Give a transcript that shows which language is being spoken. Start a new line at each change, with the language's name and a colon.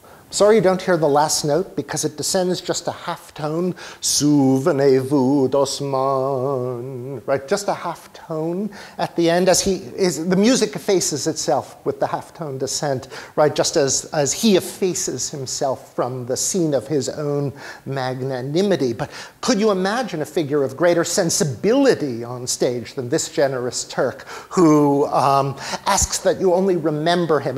English: Sorry you don't hear the last note, because it descends just a half tone.
French: Souvenez-vous d'Osman, right?
English: Just a half tone at the end, the music effaces itself with the half tone descent, right? Just as he effaces himself from the scene of his own magnanimity. But could you imagine a figure of greater sensibility on stage than this generous Turk who asks that you only remember him?